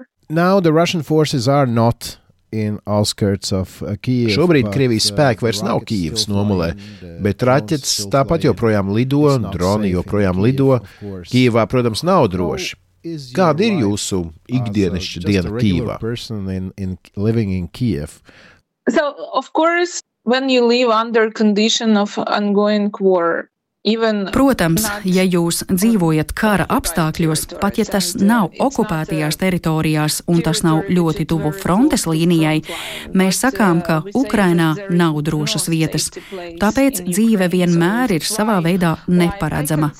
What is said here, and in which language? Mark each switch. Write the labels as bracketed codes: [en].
[en] Now the Russian forces are not in outskirts of Kyiv. [lv] Šobrīd Krievijas spēki vairs nav Kyivas nomulē, bet raķetes tāpat joprojām lido, droni joprojām lido. Kyivā, protams, nav droši. Kāda ir jūsu ikdienišķa diena Kyivā? [en] So, of course, when you live under condition of ongoing war, [lv] Protams, ja jūs dzīvojat kara apstākļos, pat ja tas nav okupētajās teritorijās un tas nav ļoti tuvu frontes līnijai, mēs sakām, ka Ukrainā nav drošas vietas. Tāpēc dzīve vienmēr ir savā veidā neparedzama.